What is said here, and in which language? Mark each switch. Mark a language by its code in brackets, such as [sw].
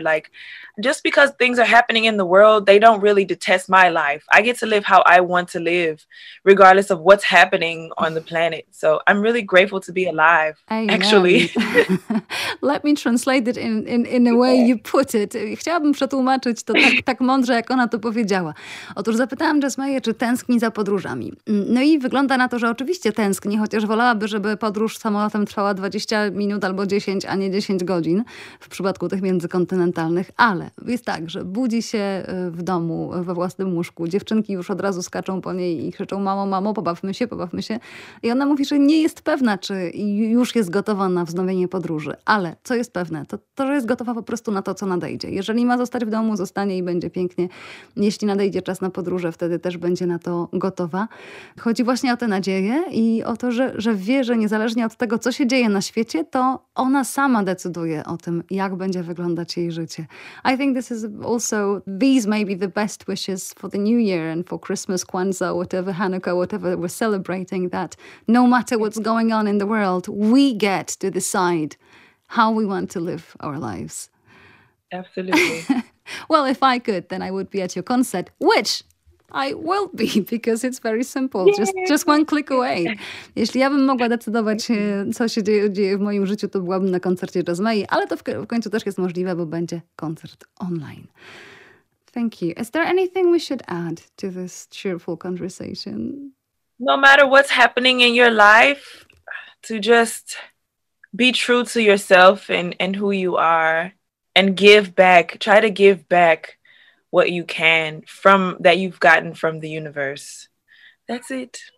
[en] Like, just because things are happening in the world, they don't really detest my life. I get to live how I want to live, regardless of what's happening on the planet. So I'm really grateful to be alive, actually. Let me translate it in a way you put it. [pl] Chciałabym przetłumaczyć to tak, tak mądrze, jak ona to powiedziała. Otóż zapytałam Jasmine, czy tęskni za podróżami. No i wygląda na to, że oczywiście tęskni, chociaż wolałaby, żeby podróż samolotem trwała 20 minut albo 10, a nie 10 godzin w przypadku tych międzykontynentalnych, ale jest tak, że budzi się w domu, we własnym łóżku. Dziewczynki już od razu skaczą po niej i krzyczą, mamo, mamo, pobawmy się, pobawmy się. I ona mówi, że nie jest pewna, czy już jest gotowa na wznowienie podróży. Ale co jest pewne, to, że jest gotowa po prostu na to, co nadejdzie. Jeżeli ma zostać w domu, zostanie i będzie pięknie. Jeśli nadejdzie czas na podróże, wtedy też będzie na to gotowa. Chodzi właśnie o tę nadzieję i o to, że wie, że niezależnie od tego, co się dzieje na świecie, to ona sama decyduje o tym, jak będzie wyglądać jej życie. [en] I think this is also, these may be the best wishes for the new year and for Christmas, Kwanzaa, whatever, Hanukkah, whatever we're celebrating, that no matter what's going on in the world, we get to decide how we want to live our lives. Absolutely. Well, if I could, then I would be at your concert, which I will be, because it's very simple. Just one click away. [pl] Jeśli ja bym mogła decydować, co się dzieje w moim życiu, to byłabym na koncercie Jasmine, ale to w końcu też jest możliwe, bo będzie koncert online. [en] Thank you. Is there anything we should add to this cheerful conversation? No matter what's happening in your life, to just be true to yourself and who you are and give back. Try to give back what you can from that you've gotten from the universe. That's it.